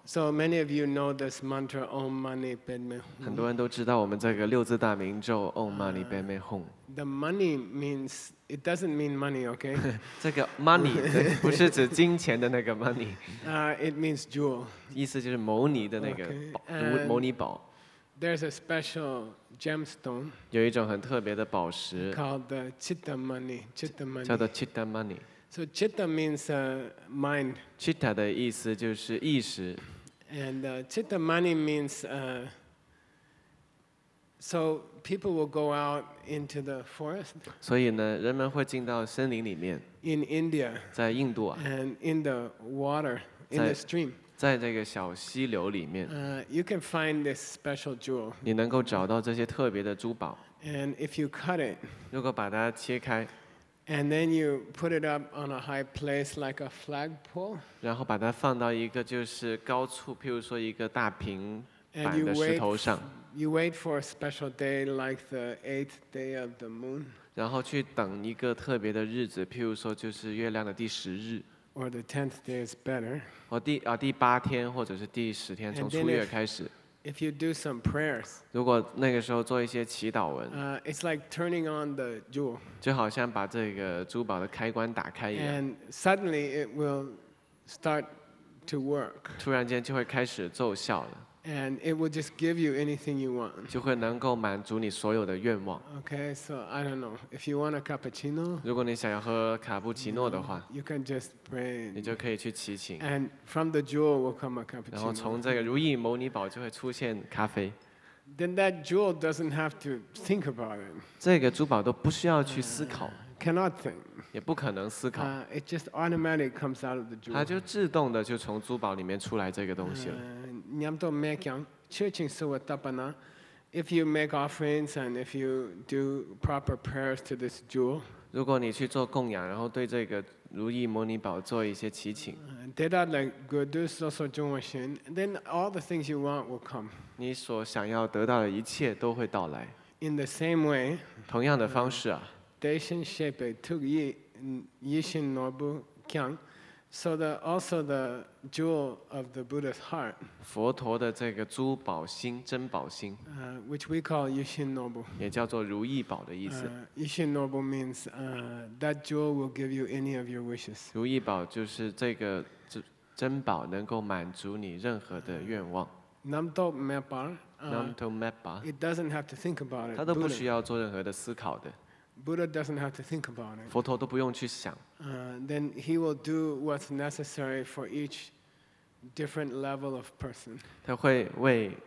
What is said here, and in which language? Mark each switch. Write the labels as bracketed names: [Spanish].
[English] So many of you know this mantra, Om Mani Padme Hum. [Chinese] 很多人都知道我们这个六字大明咒 Om Mani Padme Hum. [English] The money means, it doesn't mean money, okay? [Chinese] 这个 money 不是指金钱的那个 money. [English] It means jewel. [Chinese] 意思就是牟尼的那个牟尼宝。 [English] There's a special gemstone. [Chinese] 有一种很特别的宝石。 [English] Called the chitta money. Chitta money. [Chinese] 叫做 chitta money. [English] So chitta means mind. [Chinese] Chitta 的意思就是意识。 [English] And chitta money means, so people will go out into the forest. [Chinese] 所以呢，人们会进到森林里面。 [English] In India. [Chinese] 在印度啊。 [English] And in the water, in the stream. [Chinese] 在这个小溪流里面。 [English] You can find this special jewel. [Chinese] 你能够找到这些特别的珠宝。 [English] And if you cut it. [Chinese] 如果把它切开。 [English] And then you put it up on a high place like a flagpole. [Chinese] 然后把它放到一个就是高处，譬如说一个大平板的石头上。 [English] You wait for a special day like the 8th day of the moon. [Chinese] 然后去等一个特别的日子，譬如说就是月亮的第十日。 [English] Or the 10th day is better. [Chinese] 第八天或者是第十天，从初月开始。 [English] If you do some prayers. [Chinese] 如果那个时候做一些祈祷文。 [English] It's like turning on the jewel. [Chinese] 就好像把这个珠宝的开关打开一样。 [English] And suddenly it will start to work. [Chinese] 突然间就会开始奏效了。 [English] And it will just give you anything you want. [Chinese] 就会能够满足你所有的愿望。 [English] Okay, so I don't know. If you want a cappuccino, [Chinese] 如果你想要喝卡布奇诺的话， [English] you can just pray. [Chinese] 你就可以去祈请。 [English] And from the jewel will come a cappuccino. [Chinese] 然后从这个如意牟尼宝就会出现咖啡。 [English] Then that jewel doesn't have to think about it. [Chinese] 这个珠宝都不需要去思考。 [English] Cannot think. [Chinese] 也不可能思考。 [English] It just automatically comes out of the jewel. [Chinese] 它就自动的就从珠宝里面出来这个东西了。 [English] If you make offerings and if you do proper prayers to this jewel, [Chinese] 如果你去做供养，然后对这个如意牟尼宝做一些祈请， [English] then all the things you want will come. [Chinese] 你所想要得到的一切都会到来。 [English] In the same way, [Chinese] 同样的方式啊，德心设备特意一心诺布讲。 [English] So the also the jewel of the Buddha's heart. [Chinese] 佛陀的这个珠宝心，珍宝心。 [English] Which we call Yishin Nobu. [Chinese] 也叫做如意宝的意思。 [English] Yishin Nobu means that jewel will give you any of your wishes. [Chinese] 如意宝就是这个珍宝能够满足你任何的愿望。 [English] Namto Mepa. It doesn't have to think about it. [Chinese] 他都不需要做任何的思考的。 [English] Buddha doesn't have to think about it. [Chinese] 佛陀都不用去想。 [English] Then he will do what's necessary for each different level of person.